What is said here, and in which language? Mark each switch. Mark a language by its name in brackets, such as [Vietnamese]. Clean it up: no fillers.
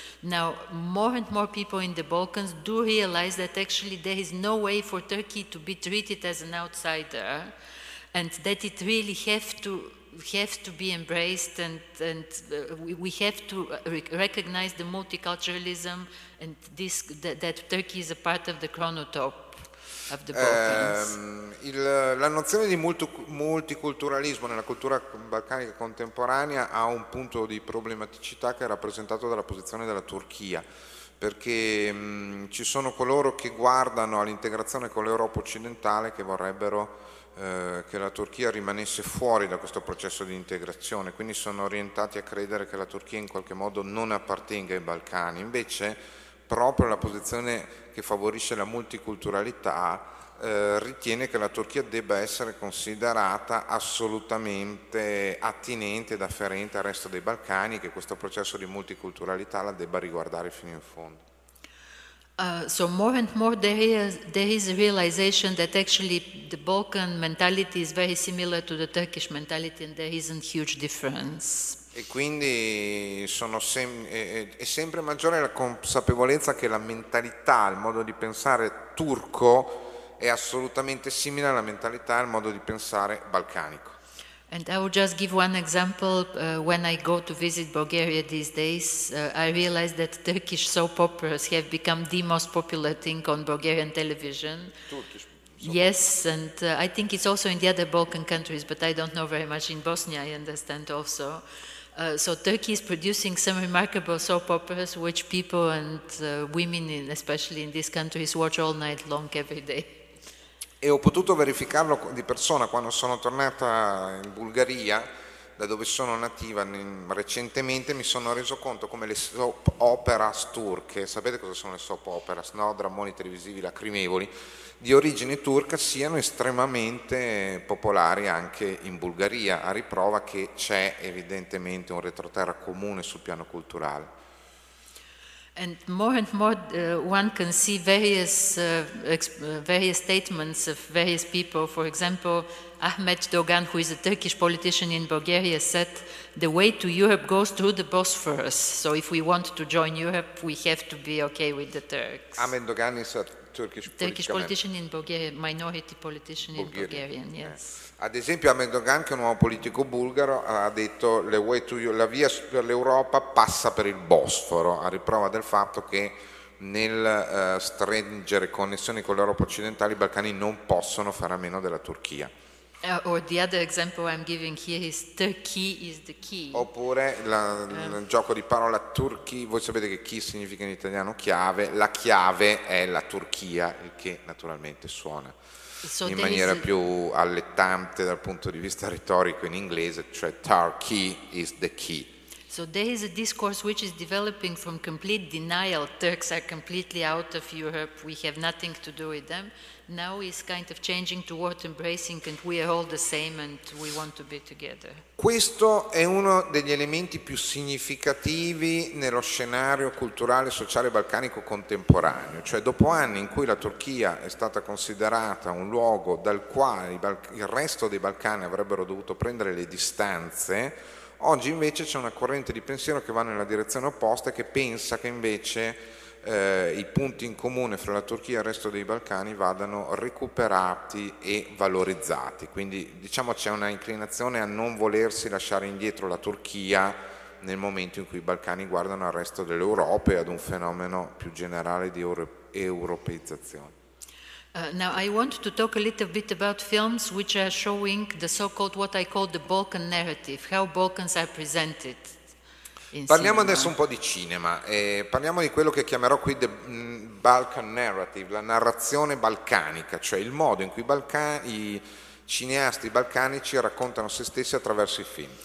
[English] Now, more and more people in the Balkans do realize that actually there is no way for Turkey to be treated as an outsider, and that it really have to be embraced, and we have to recognize the multiculturalism and this that Turkey is a part of the chronotope of the Balkans. [Italian] La nozione di multiculturalismo nella cultura balcanica contemporanea ha un punto di problematicità che è rappresentato dalla posizione della Turchia, perché ci sono coloro che guardano all'integrazione con l'Europa occidentale che vorrebbero che la Turchia rimanesse fuori da questo processo di integrazione, quindi sono orientati a credere che la Turchia in qualche modo non appartenga ai Balcani. Invece proprio la posizione che favorisce la multiculturalità ritiene che la Turchia debba essere considerata assolutamente attinente ed afferente al resto dei Balcani, che questo processo di multiculturalità la debba riguardare fino in fondo. [English] So more and more there is a realization that actually the Balkan mentality is very similar to the Turkish mentality and there isn't huge difference. [Italian] E quindi è sempre maggiore la consapevolezza che la mentalità, il modo di pensare turco è assolutamente simile alla mentalità, al modo di pensare balcanico. [English] And I will just give one example. When I go to visit Bulgaria these days, I realize that Turkish soap operas have become the most popular thing on Bulgarian television. Turkish. Yes, and I think it's also in the other Balkan countries, but I don't know very much. In Bosnia, I understand also. So Turkey is producing some remarkable soap operas, which people and women, especially in these countries, watch all night long every day. [Italian] E ho potuto verificarlo di persona quando sono tornata in Bulgaria, da dove sono nativa recentemente, mi sono reso conto come le soap operas turche, sapete cosa sono le soap operas, no? Drammoni televisivi lacrimevoli, di origine turca siano estremamente popolari anche in Bulgaria, a riprova che c'è evidentemente un retroterra comune sul piano culturale. [English] And more one can see various statements of various people. For example, Ahmet Dogan, who is a Turkish politician in Bulgaria, said, the way to Europe goes through the Bosphorus. So if we want to join Europe, we have to be okay with the Turks. Ahmet Dogan is a Turkish politician in Bulgaria, minority politician in Bulgarian, yes. [Italian] Ad esempio Ahmet Dogan, che è un uomo politico bulgaro, ha detto la via per l'Europa passa per il Bosforo, a riprova del fatto che nel stringere connessioni con l'Europa occidentale i Balcani non possono fare a meno della Turchia. [English] Or the other example I'm giving here is Turkey is the key. [Italian] Oppure il gioco di parola Turkey, voi sapete che key significa in italiano chiave, la chiave è la Turchia, il che naturalmente suona in maniera più allettante dal punto di vista retorico in inglese, cioè [English] Turkey is the key. So there is a discourse which is developing from complete denial. Turks are completely out of Europe. We have nothing to do with them. Now is kind of changing toward embracing, and we are all the same, and we want to be together. [Italian] Questo è uno degli elementi più significativi nello scenario culturale, sociale balcanico contemporaneo. Cioè, dopo anni in cui la Turchia è stata considerata un luogo dal quale il resto dei Balcani avrebbero dovuto prendere le distanze, oggi invece c'è una corrente di pensiero che va nella direzione opposta e che pensa che invece i punti in comune fra la Turchia e il resto dei Balcani vadano recuperati e valorizzati. Quindi diciamo c'è una inclinazione a non volersi lasciare indietro la Turchia nel momento in cui i Balcani guardano al resto dell'Europa e ad un fenomeno più generale di europeizzazione. [English] Now I want to talk a little bit about films which are showing the so-called, what I call the Balkan narrative, how Balkans are presented in cinema. [Italian] Parliamo adesso un po' di cinema, parliamo di quello che chiamerò qui [English] the Balkan narrative, [Italian] la narrazione balcanica, cioè il modo in cui i cineasti balcanici raccontano se stessi attraverso i film.